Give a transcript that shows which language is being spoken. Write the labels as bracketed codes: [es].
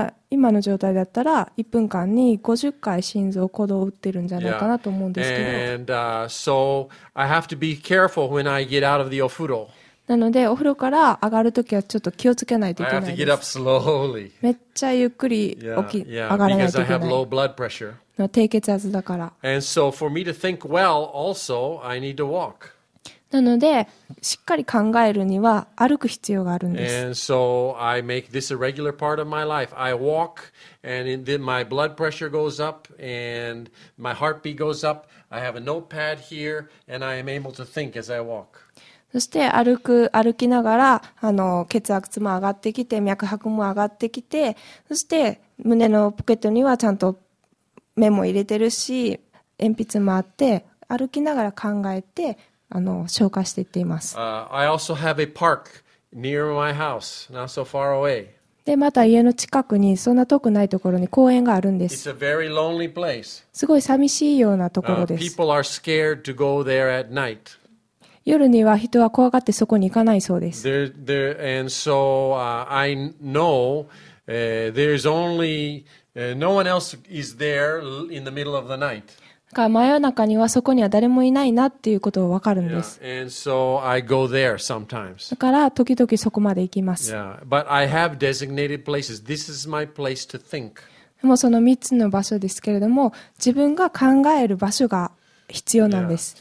[ja] 今の状態だったら1分間に50回心臓鼓動を打ってるんじゃないかなと思うんですけど、yeah. [en] And, so I have to be careful when I get out of the お風呂。 [ja] なのでお風呂から上がるときはちょっと気をつけないといけないです。 [en] I have to get up slowly. [ja] めっちゃゆっくり上がらないといけない。 [en] Because I have low blood pressure. [ja] の低血圧だから。 [en] And so for me to think well, also I need to walk. [ja] なのでしっかり考えるには歩く必要があるんです。 [en] And so I make this a regular part of my life. I walk, and then my blood pressure goes up, and my heartbeat goes up. I have a notepad here, and I am able to think as I walk. [ja] そして歩きながら血圧も上がってきて、脈拍も上がってきて、そして胸のポケットにはちゃんとメモ入れてるし、鉛筆もあって歩きながら考えて。消化していっています。 [en] I also have a park near my house, not so far away. [ja] で、また家の近くに、そんな遠くないところに公園があるんです。 [en] It's a very lonely place. [ja] すごい寂しいようなところです。 [en] People are scared to go there at night. [ja] 夜には人は怖がってそこに行かないそうです。 [en] There, and so, I know, there's only, no one else is there in the middle of the night. [ja] だから真夜中にはそこには誰もいないなっていうことを分かるんです。 Yeah. [en] And so I go there sometimes. [ja] だから時々そこまで行きます。 Yeah. [en] But I have designated places. This is my place to think. [ja] でもその3つの場所ですけれども、自分が考える場所が必要なんです。